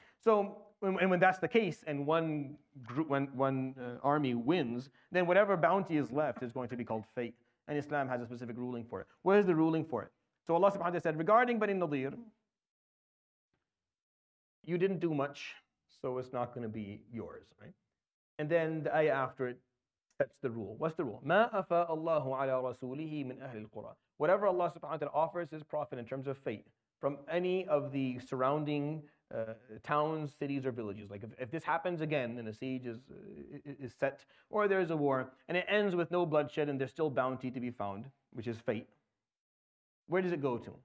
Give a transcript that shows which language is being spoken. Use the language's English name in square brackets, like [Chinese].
[English] So when that's the case, and one army wins, then whatever bounty is left is going to be called fate. And Islam has a specific ruling for it. What is the ruling for it? So Allah subhanahu wa ta'ala said, regarding Bani Nadir, you didn't do much, so it's not going to be yours, right? And then the ayah after it sets the rule. What's the rule? [Arabic] مَا أَفَاءَ اللَّهُ عَلَى رَسُولِهِ مِنْ أَهْلِ الْقُرَىٰ. [English] Whatever Allah subhanahu wa ta'ala offers his prophet in terms of fate from any of the surrounding towns, cities, or villages. Like if this happens again and a siege is set, or there's a war, and it ends with no bloodshed and there's still bounty to be found, which is fate, where does it go to?